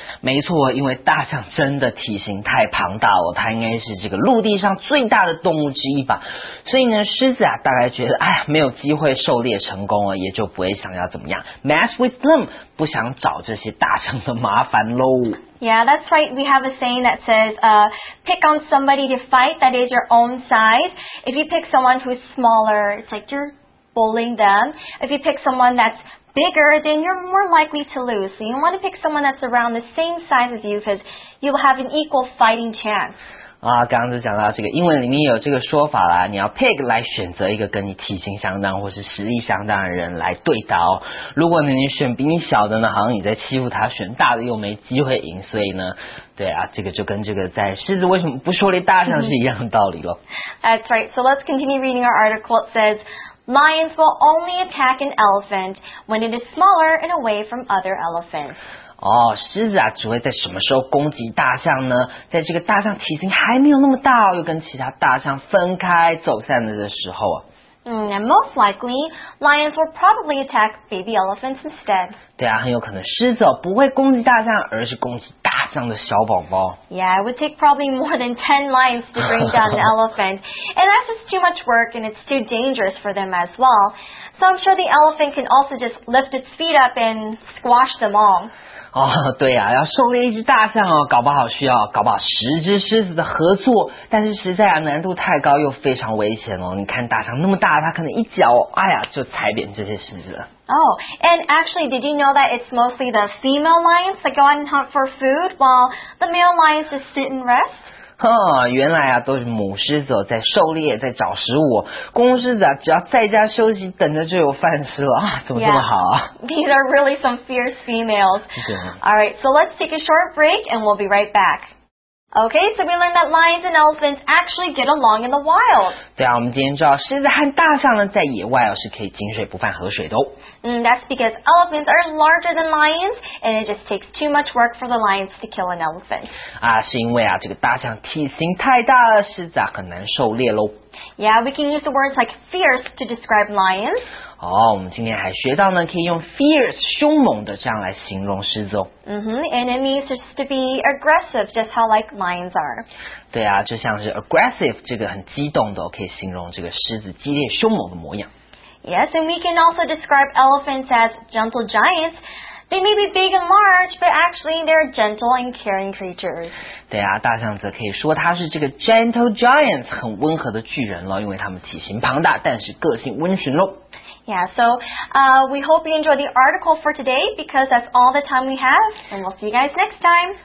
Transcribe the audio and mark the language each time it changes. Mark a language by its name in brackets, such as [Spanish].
[Chinese] 没错，因为大象真的体型太庞大了，它应该是这个陆地上最大的动物之一吧。所以呢，狮子啊，大概觉得，哎，没有机会狩猎成功了，也就不会想要怎么样 [English] mess with them， [Chinese] 不想找这些大象的麻烦喽。 [English] Yeah, that's right. We have a saying that says, pick on somebody to fight that is your own size. If you pick someone who's smaller, it's like you're bullying them. If you pick someone that's bigger, then you're more likely to lose. So you want to pick someone that's around the same size as you because you'll have an equal fighting chance. [Chinese] 刚刚就讲到这个英文里面有这个说法啦，你要 pick 来选择一个跟你体型相当或是实力相当的人来对打哦。如果你选比你小的呢，好像你在欺负他，选大的又没机会赢，所以呢，对啊，这个就跟这个在狮子为什么不狩猎大象是一样的道理咯。 [English] That's right, so let's continue reading our article. It says, lions will only attack an elephant when it is smaller and away from other elephants. [Chinese] 狮子啊，只会在什么时候攻击大象呢？在这个大象体型还没有那么大，又跟其他大象分开走散的这时候啊。 [English] And most likely, lions will probably attack baby elephants instead. [Chinese] 对啊，很有可能狮子不会攻击大象，而是攻击大象的小宝宝。 [English] Yeah, it would take probably more than 10 lions to bring down an elephant. And that's just too much work, and it's too dangerous for them as well. So I'm sure the elephant can also just lift its feet up and squash them all. [Chinese] 对啊，要狩猎一只大象哦，搞不好十只狮子的合作，但是实在啊难度太高又非常危险哦。你看大象那么大，它可能一脚，哎呀，就踩扁这些狮子了。 [English] Oh, and actually, did you know that it's mostly the female lions that go out and hunt for food, while the male lions just sit and rest? [Chinese] 原来啊都是母狮子在狩猎在找食物，公狮子啊只要在家休息等着就有饭吃了啊，怎么这么好啊、 [English] These are really some fierce females. Alright, so let's take a short break and we'll be right back. Okay, so we learned that lions and elephants actually get along in the wild. [Chinese] 对啊，我们今天知道狮子和大象呢在野外是可以井水不犯河水的哦。 [English] That's because elephants are larger than lions, and it just takes too much work for the lions to kill an elephant. [Chinese] 是因为啊这个大象体型太大了，狮子很难狩猎喽。 [English] Yeah, we can use the words like fierce to describe lions. [Chinese] 我们今天还学到呢，可以用 fierce 凶猛的这样来形容狮子哦。 [English] And it means just to be aggressive, just how like lions are. [Chinese] 对啊，就像是 aggressive 这个很激动的，可以形容这个狮子激烈凶猛的模样。 [English] Yes, and we can also describe elephants as gentle giants. They may be big and large, but actually they're gentle and caring creatures. [Chinese] 对啊，大象则可以说它是这个 [English] gentle giants, [Chinese] 很温和的巨人了，因为它们体型庞大，但是个性温驯喽。 [English] Yeah, so we hope you enjoy the article for today, because that's all the time we have, and we'll see you guys next time.